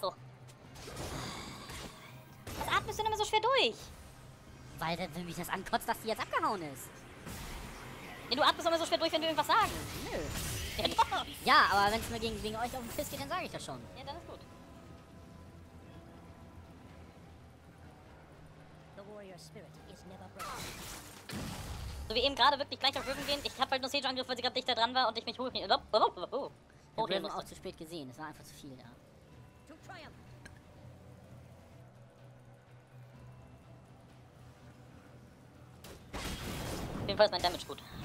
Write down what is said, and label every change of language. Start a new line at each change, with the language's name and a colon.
German: Was atmest du denn immer so schwer durch? Weil wenn mich das ankotzt, dass die jetzt abgehauen ist. Ja, du atmest immer so schwer durch, wenn wir irgendwas sagen. Nö. Ja, doch. Ja, aber wenn es mir gegen euch auf den Piss geht, dann sage ich das schon. Ja, dann ist gut.
English: The warrior spirit is never broken.
German: So wie eben gerade wirklich gleich auf Riven gehen. Ich hab halt nur Sage angegriffen, weil sie gerade dichter dran war und ich mich hochhielt. Oh, wir haben auch zu spät gesehen. Es war einfach zu viel da. Auf jeden Fall ist mein Damage gut.